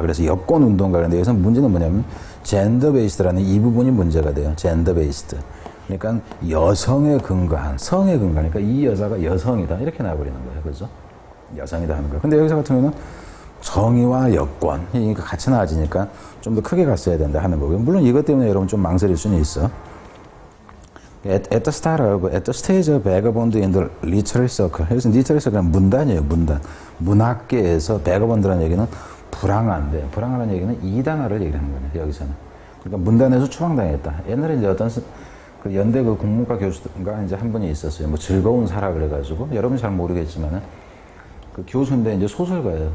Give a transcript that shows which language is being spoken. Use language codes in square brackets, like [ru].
[ko] 그래서 여권 운동가. 그런데 여기서 문제는 뭐냐면 gender-based라는 이 부분이 문제가 돼요. gender-based. 그러니까 여성에 근거한, 성에 근거한. 그러니까 이 여자가 여성이다. 이렇게 나와버리는 거예요. 그죠? 여성이다 하는 거예요. 근데 여기서 같은 경우는 정의와 여권. 그러니까 같이 나아지니까 좀 더 크게 갔어야 된다 하는 거고요. 물론 이것 때문에 여러분 좀 망설일 수는 있어. [en] At the start of, at the stage of vagabond in the literary circle. [ko] 여기서 literary circle는 문단이에요. 문단. 문학계에서 vagabond라는 얘기는 불황한데, 불황하는 얘기는 이단화를 얘기하는 거예요. 여기서는. 그러니까 문단에서 추방당했다. 옛날에 이제 어떤, 그 연대 그 국문과 교수가 이제 한 분이 있었어요. 뭐 즐거운 사라 그래가지고 여러분 잘 모르겠지만은 그 교수인데 이제 소설가예요.